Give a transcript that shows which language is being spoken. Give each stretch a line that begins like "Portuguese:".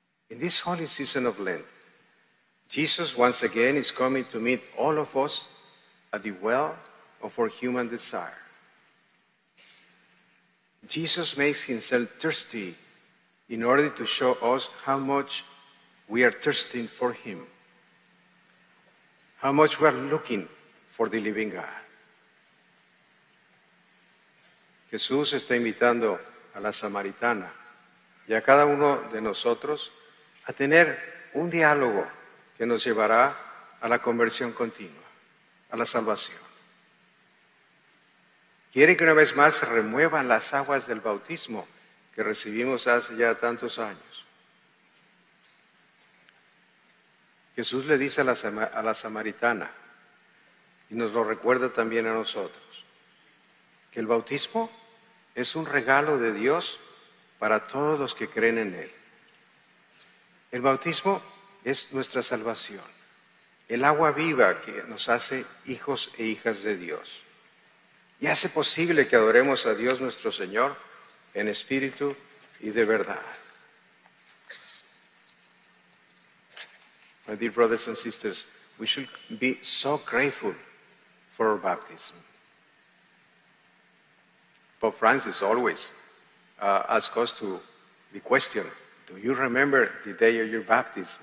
English: In this holy season of Lent, Jesus once again is coming to meet all of us at the well of our human desire. Jesus makes himself thirsty in order to show us how much we are thirsting for him, how much we are looking for the living God.
Spanish: Jesús está invitando a la samaritana y a cada uno de nosotros a tener un diálogo que nos llevará a la conversión continua, a la salvación. Quiere que una vez más se remuevan las aguas del bautismo que recibimos hace ya tantos años. Jesús le dice a la samaritana y nos lo recuerda también a nosotros, que el bautismo es un regalo de Dios para todos los que creen en Él. El bautismo es nuestra salvación, el agua viva que nos hace hijos e hijas de Dios. Y hace posible que adoremos a Dios nuestro Señor en espíritu y de verdad.
English: My dear brothers and sisters, we should be so grateful for our baptism. Pope Francis always asks us to the question, do you remember the day of your baptism?